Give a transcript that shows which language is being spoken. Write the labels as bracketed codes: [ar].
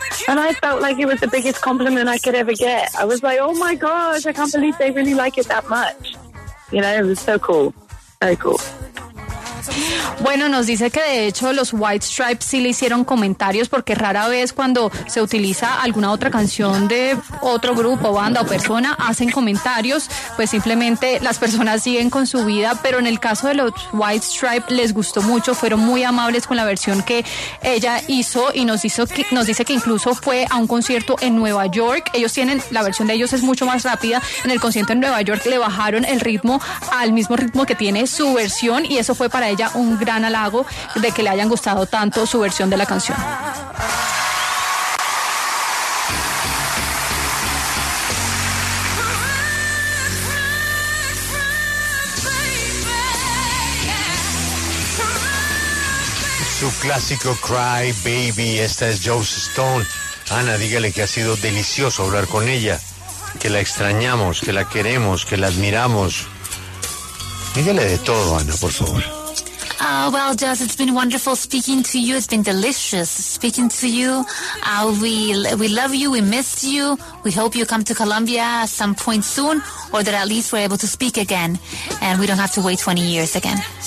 [en] And I felt like it was the biggest compliment I could ever get. I was like, oh my gosh, I can't believe they really like it that much. You know, it was so cool. Very cool. [es] Bueno, nos dice que de hecho los White Stripes sí le hicieron comentarios, porque rara vez cuando se utiliza alguna otra canción de otro grupo, banda o persona, hacen comentarios, pues simplemente las personas siguen con su vida, pero en el caso de los White Stripes les gustó mucho, fueron muy amables con la versión que ella hizo y nos dice que incluso fue a un concierto en Nueva York. Ellos tienen, la versión de ellos es mucho más rápida, en el concierto en Nueva York le bajaron el ritmo al mismo ritmo que tiene su versión, y eso fue para ella un gran halago de que le hayan gustado tanto su versión de la canción. Su clásico Cry Baby, esta es Joss Stone. Ana, dígale que ha sido delicioso hablar con ella, que la extrañamos, que la queremos, que la admiramos. Dígale de todo, Ana, por favor. [en] Oh, well, Joss, it's been wonderful speaking to you. It's been delicious speaking to you. We love you. We miss you. We hope you come to Colombia some point soon, or that at least we're able to speak again and we don't have to wait 20 years again.